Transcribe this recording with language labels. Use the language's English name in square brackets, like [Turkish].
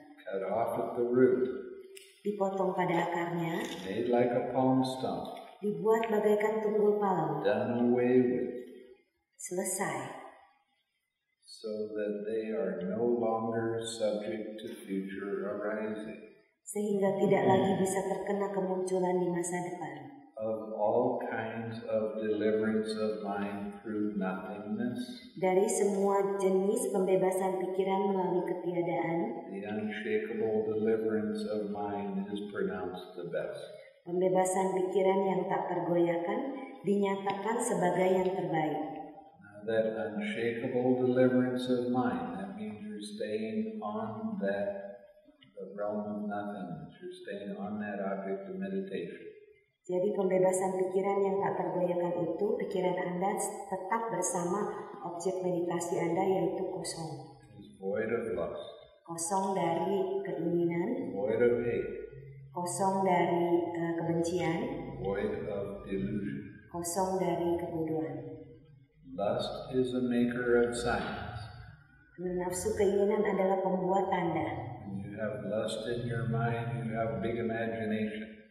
[English] Cut off at the root. [Indonesian] Dipotong pada akarnya. [English] Made like a palm stump. [Indonesian] Dibuat bagaikan tunggul palem. [English] Done away with. [Indonesian] Selesai. [English] So that they are no longer subject to future arising. [Indonesian] Sehingga tidak lagi bisa terkena kemunculan di masa depan. [English] Of all kinds of deliverance of mind through nothingness. [Indonesian] Dari semua jenis pembebasan pikiran melalui ketiadaan. [English] The unshakable deliverance of mind is pronounced the best. [Indonesian] Pembebasan pikiran yang tak tergoyahkan dinyatakan sebagai yang terbaik. [English] Now that unshakable deliverance of mind, that means you're staying on that the realm of nothingness. You're staying on that object of meditation. [Indonesian] Jadi pembebasan pikiran yang tak tergoyahkan itu, pikiran Anda tetap bersama objek meditasi Anda yaitu kosong. [English] Void of lust. [Indonesian] Kosong dari keinginan. [English] Void of hate. [Indonesian] Kosong dari kebencian. [English] Void of delusion. [Indonesian] Kosong dari kebodohan. [English] Lust is a maker of signs. [Indonesian] Nafsu keinginan adalah pembuat tanda. [English] You have lust in your mind, you have big imagination.